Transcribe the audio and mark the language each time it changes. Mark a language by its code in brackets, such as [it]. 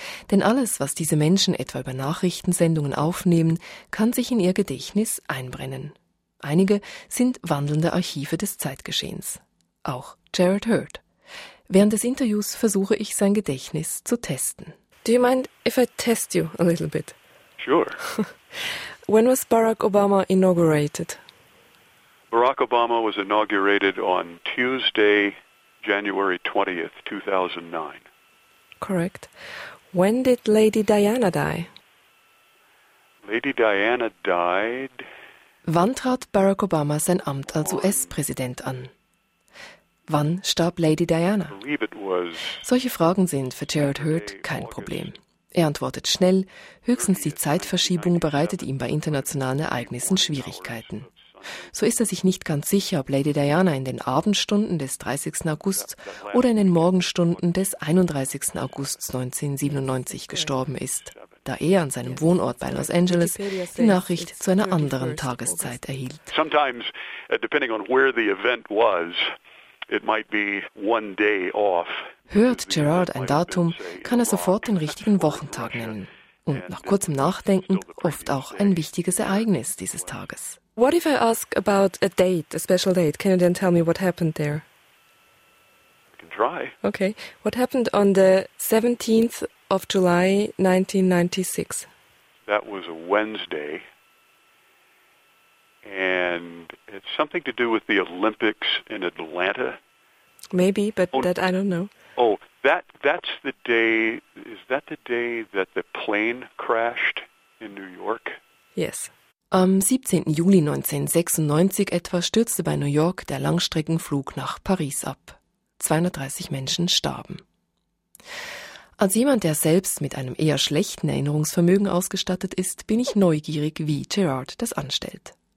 [de] Denn alles, was diese Menschen etwa über Nachrichtensendungen aufnehmen, kann sich in ihr Gedächtnis einbrennen. Einige sind wandelnde Archive des Zeitgeschehens. Auch Jared Hurd. Während des Interviews versuche ich, sein Gedächtnis zu testen. [en] Do you mind if I test you a little bit? Sure. When was Barack Obama inaugurated? Barack Obama was inaugurated on Tuesday, January 20th, 2009. Correct. When did Lady Diana die? Lady Diana died... [de] Wann trat Barack Obama sein Amt als US-Präsident an? Wann starb Lady Diana? Solche Fragen sind für Jared Hurd kein Problem. Er antwortet schnell, höchstens die Zeitverschiebung bereitet ihm bei internationalen Ereignissen Schwierigkeiten. So ist er sich nicht ganz sicher, ob Lady Diana in den Abendstunden des 30. August oder in den Morgenstunden des 31. August 1997 gestorben ist, da er an seinem Wohnort bei Los Angeles die Nachricht zu einer anderen Tageszeit erhielt. [en] Sometimes, depending on where the event was, it might be one day off. [de] Hört Gerard ein Datum, kann er sofort den richtigen Wochentag nennen. Und nach kurzem Nachdenken oft auch ein wichtiges Ereignis dieses Tages. [en] What if I ask about a date, a special date? Can you then tell me what happened there? I can try. Okay. What happened on the 17th of July, 1996? That was a Wednesday. And it's something to do with the Olympics in Atlanta. Maybe, but that I don't know. Oh, that's the day, is that the day that the plane crashed in New York? Yes. [de] Am 17. Juli 1996 etwa stürzte bei New York der Langstreckenflug nach Paris ab. 230 Menschen starben. Als jemand, der selbst mit einem eher schlechten Erinnerungsvermögen ausgestattet ist, bin ich neugierig, wie Gerard das anstellt.